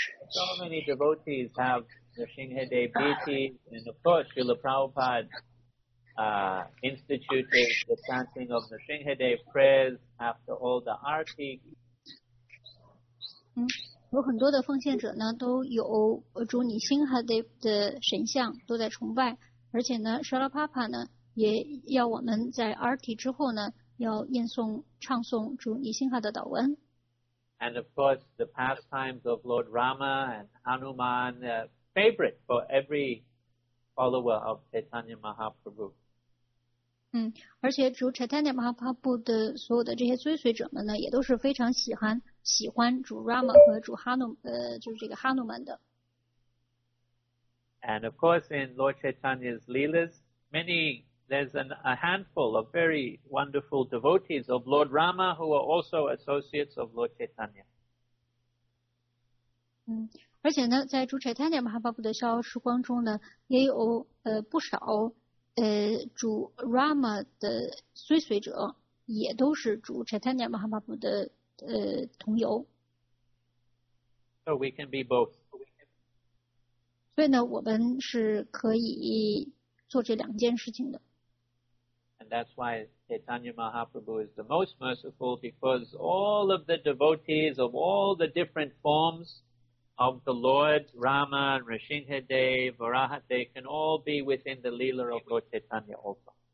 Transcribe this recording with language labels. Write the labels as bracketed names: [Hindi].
[English] So many devotees have Narasimhadev deities, and of course Srila Prabhupada instituted the chanting of Narasimhadev prayers after all the arti. [Chinese] 有很多的奉献者呢都有主尼辛哈德的神像都在崇拜，而且呢舍拉帕帕呢也要我们在 arti 之后呢要念诵唱诵主尼辛哈的祷文。 [English] And of course the pastimes of Lord Rama and Hanuman favorite for every follower of Chaitanya Mahaprabhu. [Chinese] 而且主 Chaitanya Mahaprabhu 的所有的这些追随者们呢也都是非常喜欢主 Rama 和主 Hanuman 的。 [English] And of course in Lord Chaitanya's Leelas, there's a handful of very wonderful devotees of Lord Rama who are also associates of Lord Chaitanya. [Chinese] 而且呢在主 Chaitanya Mahaprabhu 的逍遥时光中呢也有不少主 Rama 的追随者也都是主 Chaitanya Mahaprabhu 的同游。 [English] So we can be both. [Chinese] 所以呢我们是可以做这两件事情的。 [English] And that's why Chaitanya Mahaprabhu is the most merciful because all of the devotees of all the different formsOf the Lord Rama, Narasimhadev, Varahadev can all be within the Leela of Lord Chaitanya also.